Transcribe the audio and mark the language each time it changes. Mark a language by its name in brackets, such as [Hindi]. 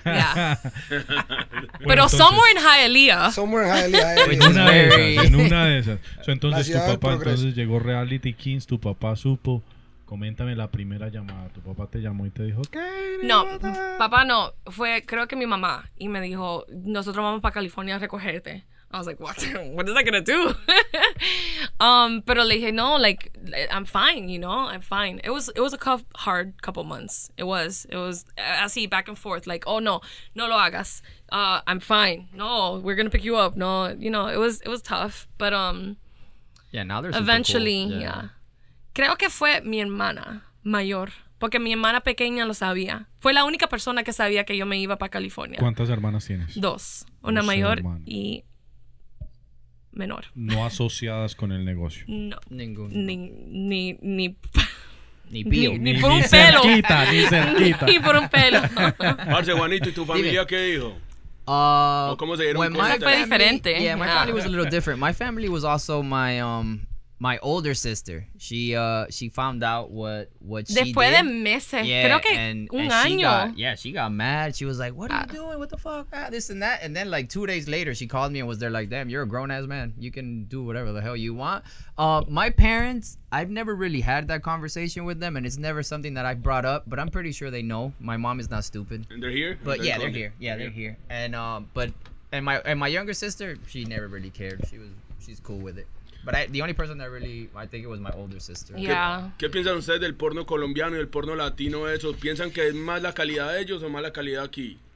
[Spanish] Yeah. Bueno, pero entonces, [English] somewhere in Hialeah. [Spanish] En una de esas. So, entonces tu papá entonces llegó Reality Kings, tu papá supo. Coméntame la primera llamada. ¿Tu papá te llamó y te dijo qué? No, papá no. Fue, creo que mi mamá. Y me dijo, nosotros vamos para California a recogerte. [English] I was like, what is that going to do? [Spanish] pero le dije, no, [English] like, I'm fine, you know? I'm fine. It was a hard couple months. It was así, back and forth. Like, oh, no, [Spanish] no lo hagas. [English] I'm fine. No, we're going to pick you up. No, you know, it was tough. But yeah, now they're eventually, super cool. Yeah. [Spanish] creo que fue mi hermana mayor, porque mi hermana pequeña lo sabía. Fue la única persona que sabía que yo me iba para California. ¿Cuántas hermanas tienes? Dos. Una mayor y menor. ¿No asociadas con el negocio? No. Ninguna. Ni por un pelo. Cerquita, ni cerquita. Ni por un pelo. Marce, Juanito, ¿y tu familia qué dijo? ¿Cómo se dieron cuenta? Fue diferente. [English] Yeah, my family was a little different. My family was also my... My older sister, she found out what she [Spanish] después [English] did. [Spanish] Después de meses, yeah, creo que un año. [English] She got mad. She was like, what are you doing? What the fuck? This and that. And then like 2 days later, she called me and was there like, damn, you're a grown-ass man. You can do whatever the hell you want. My parents, I've never really had that conversation with them, and it's never something that I've brought up, but I'm pretty sure they know. My mom is not stupid. And they're here? But they're here. Yeah, they're here. And my younger sister, she never really cared. She's cool with it. But the only person that really, I think it was my older sister. Yeah. [Spanish] ¿Qué piensan ustedes del porno colombiano y del porno latino eso? ¿Piensan que es más la calidad de ellos o más la calidad aquí?